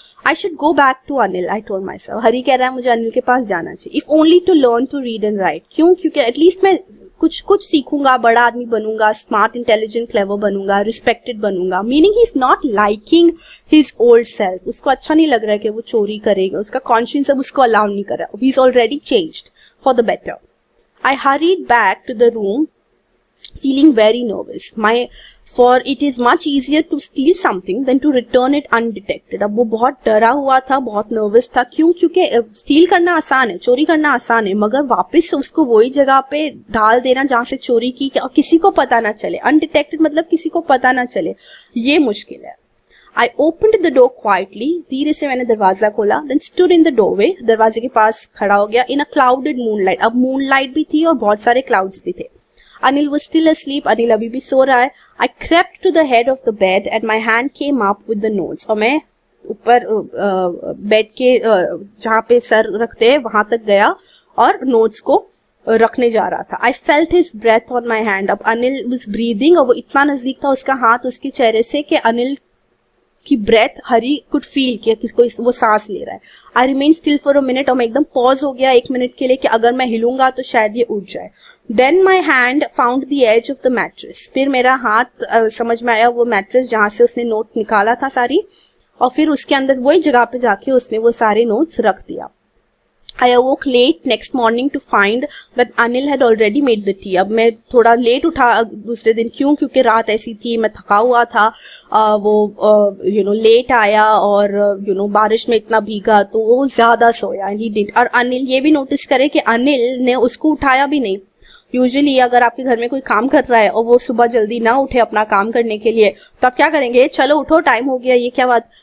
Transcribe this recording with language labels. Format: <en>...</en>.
<en>I should go back to Anil, I told myself.</en> <hi>हरी कह रहा है मुझे अनिल के पास जाना चाहिए,</hi> <en>If only to learn to read and write.</en> <hi>क्यों? क्योंकि एटलीस्ट मैं कुछ सीखूंगा, बड़ा आदमी बनूंगा, स्मार्ट, इंटेलिजेंट, क्लेवर बनूंगा, रिस्पेक्टेड बनूंगा.</hi> <en>Meaning he is not liking his old self.</en> <hi>उसको अच्छा नहीं लग रहा है कि वो चोरी करेगा, उसका कॉन्शियंस अब उसको अलाउ नहीं कर रहा.</hi> <en>He is already changed for the better. I hurried back to the room, feeling very nervous. For it is much easier to steal something than to return it undetected.</en> <hi>अब वो बहुत डरा हुआ था, बहुत नर्वस था. क्यों? क्योंकि स्टील करना आसान है, चोरी करना आसान है, मगर वापस उसको वही जगह पे डाल देना जहां से चोरी की और किसी को पता ना चले. अनडिटेक्टेड मतलब किसी को पता ना चले, ये मुश्किल है.</hi> <en>I opened the door quietly,</en> <hi>धीरे से मैंने दरवाजा खोला,</hi> <en>then stood in the doorway,</en> <hi>दरवाजे के पास खड़ा हो गया,</hi> <en>in a clouded moonlight.</en> <hi>अब moonlight भी थी और बहुत सारे clouds भी थे.</hi> <en>Anil was still asleep,</en> <hi>Anil अभी भी सो रहा है.</hi> <en>I crept to the head of the bed and my hand came up with the notes.</en> <hi>और मैं ऊपर बेड के जहाँ पे सर रखते हैं वहां तक गया और notes को रखने जा रहा था.</hi> <en>I felt his breath on my hand.</en> <hi>अब</hi> <en>Anil was breathing</en> <hi>और वो इतना नजदीक था उसका हाथ उसके चेहरे से कि अनिल की ब्रेथ हरी कुड फील किया किसको वो सांस ले रहा है.</hi> <en>I remain still for a minute</en> <hi>और मैं एकदम पॉज हो गया एक मिनट के लिए कि अगर मैं हिलूंगा तो शायद ये उठ जाए.</hi> <en>Then my hand found the edge of the mattress.</en> <hi>फिर मेरा हाथ समझ में आया वो मैट्रेस जहां से उसने नोट निकाला था सारी, और फिर उसके अंदर वही जगह पे जाके उसने वो सारे नोट्स रख दिया.</hi> <en>I awoke late next morning to find that Anil had already made the tea.</en> <hi>अब मैं थोड़ा लेट उठा दूसरे दिन. क्यों? क्योंकि रात ऐसी थी, मैं थका हुआ था, वो यू नो लेट आया और यू नो बारिश में इतना भीगा तो वो ज्यादा सोया.</hi> <en>And he did.</en> <hi>और अनिल ये भी नोटिस करे कि अनिल ने उसको उठाया भी नहीं. यूजुअली अगर आपके घर में कोई काम कर रहा है और वो सुबह जल्दी ना उठे अपना काम करने के लिए तो आप क्या करेंगे, चलो उठो टाइम हो गया ये क्या बात.</hi>